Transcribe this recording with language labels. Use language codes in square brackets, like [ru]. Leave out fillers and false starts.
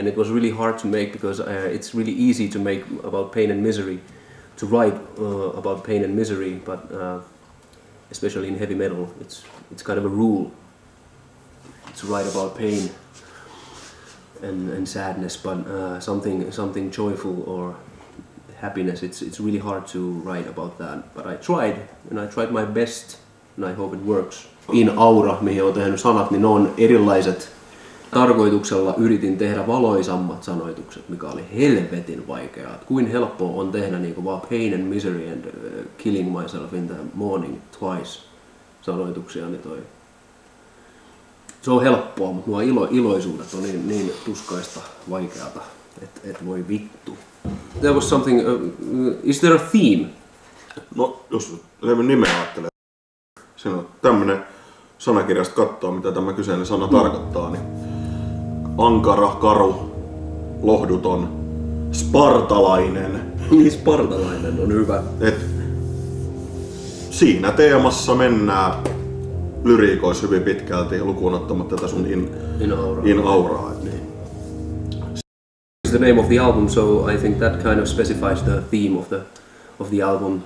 [en] And it was really hard to make, because it's really easy to make about pain and misery, to write about pain and misery, but especially in heavy metal, it's kind of a rule to write about pain and sadness, but something joyful or happiness, it's really hard to write about that. But I tried, and I tried my best, and I hope it works. [fi] In Aura, mihin olen tehnyt sanat, niin ne on erilaiset. Tarkoituksella yritin tehdä valoisammat sanoitukset, mikä oli helvetin vaikeaa. Kuin helppoa on tehdä niin kuin vaan [en] pain and misery and killing myself in the morning twice [fi] sanoituksia. Niin toi. Se on helppoa, mutta nuo iloisuudet on niin tuskaista vaikeata, et voi vittu. [en] There was something, is there a theme? [fi] No, jos levyn nimeä ajattelee. Siinä on tämmönen sanakirjasta katsoa, mitä tämä kyseinen sana tarkoittaa. Niin ankara, karu, lohduton, spartalainen. Niin, spartalainen on hyvä. Et siinä teemassa mennään lyriikoissa hyvin pitkälti, lukuun ottamatta tätä sun in auraa. Niin. [en] The name of the album, so I think that kind of specifies the theme of the album.